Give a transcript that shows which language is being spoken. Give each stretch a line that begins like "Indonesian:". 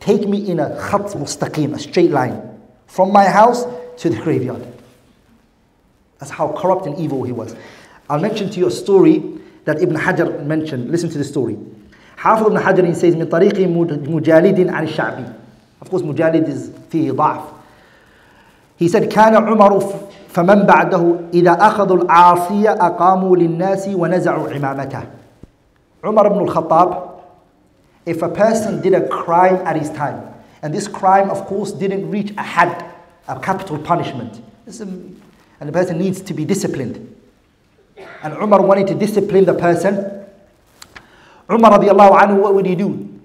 English: Take me in a khat mustaqim, a straight line, from my house to the graveyard. That's how corrupt and evil he was. I'll mention to you a story that Ibn Hajar mentioned. Listen to the story. Hafiz Ibn Hajar, he says,
Arabic: من طريق مجالد عن الشعبي.
English: Of course, مجالد is
Arabic: فيه ضعف.
English: He said,
Arabic: كان عمر فمن بعده إذا أخذوا العاصية أقاموا للناس ونزعوا عمامته.
English: Umar ibn al-Khattab, if a person did a crime at his time, and this crime, of course, didn't reach a had, a capital punishment, and the person needs to be disciplined. And Umar wanted to discipline the person. Umar radiallahu anhu, what would he do?